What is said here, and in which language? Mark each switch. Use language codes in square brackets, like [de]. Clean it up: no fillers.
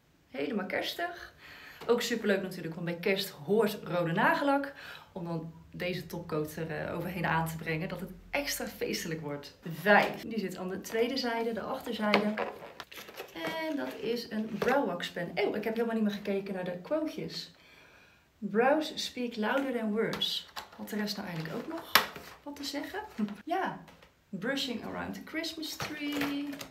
[nl] Helemaal kerstig. Ook superleuk natuurlijk, want bij kerst hoort rode nagellak. Om dan deze topcoat er overheen aan te brengen, dat het extra feestelijk wordt. 5. Die zit aan de tweede zijde, de achterzijde. En dat is een brow wax pen. Oh, ik heb helemaal niet meer gekeken naar de quotejes. [en] Brows speak louder than words. [nl] Had de rest nou eigenlijk ook nog wat te zeggen? Ja. [en] Brushing around the Christmas tree.